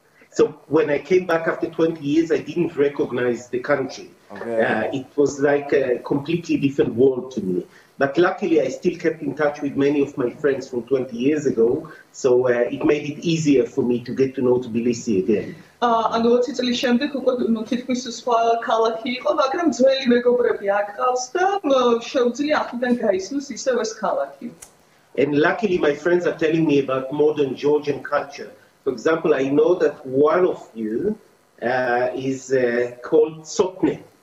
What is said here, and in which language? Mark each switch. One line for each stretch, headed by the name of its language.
English: So when I came back after 20 years I didn't recognize the country. Okay. It was like a completely different world to me. But luckily I still kept in touch with many of my friends from 20 years ago, so it made it easier for me to get to know Tbilisi again.
Georgian: Ანუ 20 წლის შემდეგ უკვე თითქმის სხვა ქალაქი იყო, მაგრამ ძველი მეგობრები აკყავს და შეუძლია ახლიდან გაისმოს ისევ ეს ქალაქი.
English: And luckily my friends are telling me about modern Georgian culture. For example, I know that one of you is called Sotne.